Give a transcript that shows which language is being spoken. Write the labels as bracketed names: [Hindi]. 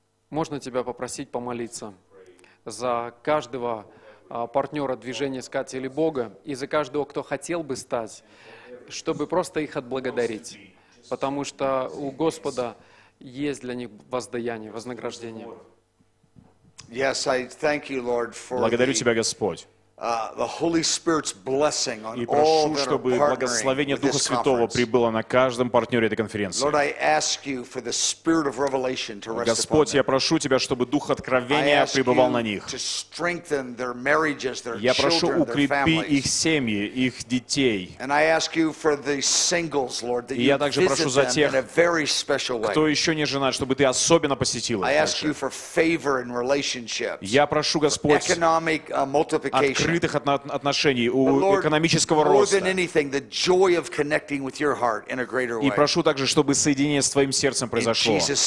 [Russian] Можно тебя попросить помолиться за каждого партнера движения «Искать или Бога» и за каждого, кто хотел бы стать, чтобы просто их отблагодарить, потому что у Господа есть для них воздаяние, вознаграждение. Благодарю Тебя, Господь. [English] The Holy Spirit's blessing on [Russian] и прошу, чтобы благословение Духа Святого прибыло на каждом партнере этой конференции. [English] Lord, I ask you for the Spirit of Revelation to rest upon them. [Russian] Господь, я прошу Тебя, чтобы Дух Откровения пребывал на них. [English] To strengthen their marriages, their [Russian] я прошу, укрепи их семьи, их детей. [English] And I ask you for the singles, Lord, that [Russian] и я также прошу за тех, кто еще не женат, чтобы Ты особенно посетил их. [English] I ask you for favor in relationships. [Russian] Я прошу, Господь, [English] economic multiplication. [Russian] Открытых отношений, у экономического роста. И прошу также, чтобы соединение с твоим сердцем произошло.